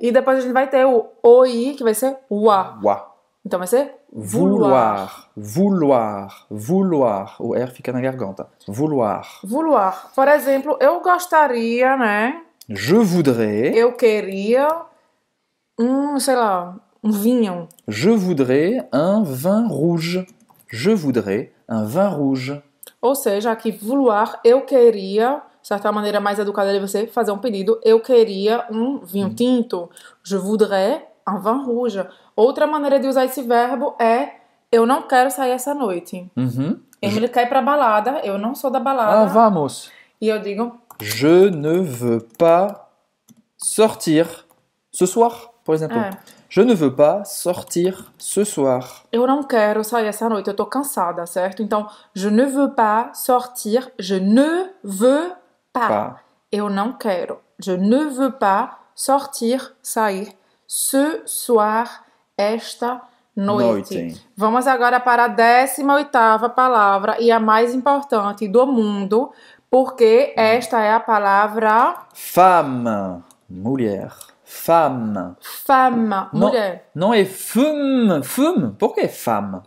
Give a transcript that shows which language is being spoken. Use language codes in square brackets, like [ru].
[pt] E depois a gente vai ter o OI, que vai ser UA. Uá. Então vai ser vouloir. Vouloir, vouloir, vouloir. O R fica na garganta. Vouloir. Vouloir. Por exemplo, eu gostaria, né? [fr] Je voudrais. [pt] Eu queria sei lá, um vinho. [fr] Je voudrais un vin rouge. Je voudrais un vin rouge. [pt] Ou seja, aqui vouloir, eu queria. Certa maneira mais educada de você fazer um pedido. Eu queria um vinho tinto. [fr] Je voudrais un vin rouge. [pt] Outra maneira de usar esse verbo é eu não quero sair essa noite. Emily quer ir pra balada. Eu não sou da Ah, balada. vamos. E eu digo. [fr] Je ne veux pas sortir ce soir, [pt] por exemplo. É. [fr] Je ne veux pas sortir ce soir. [pt] Eu não quero sair essa noite, eu tô cansada, certo? [fr] Então, je ne veux pas sortir, je ne veux pas. Pas. [pt] Eu não quero. [fr] Je ne veux pas sortir, sair ce soir, [pt] esta noite. Noite. Vamos agora para a 18ª palavra e a mais importante do mundo, porque esta é a palavra Femme, mulher, femme. femme, Não, mulher. não é femme, femme. Por que femme?